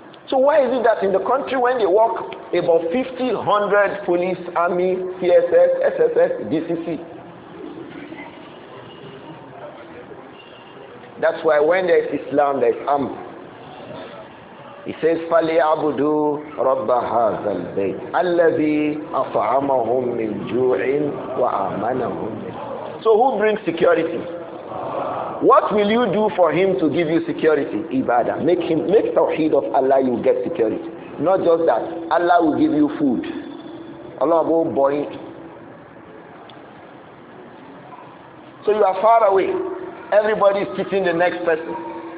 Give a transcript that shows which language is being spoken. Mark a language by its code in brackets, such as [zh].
[en] So why is it that in the country when they walk, about 50, 100 police, army, PSS, SSS, DCC. That's why when there is Islam, there is Amr. He says, [ar] فَلِيَعْبُدُوا رَبَّ هَذَا الْبَيْتِ أَلَّذِي أَطْعَمَهُمْ مِنْ جُوعٍ وَآمَنَهُمْ مِنْ. [en] So who brings security? What will you do for him to give you security? Ibadah. Make tawheed of Allah, you get security. Not just that. Allah will give you food. Allah will buy it. So you are far away. Everybody is teaching the next person.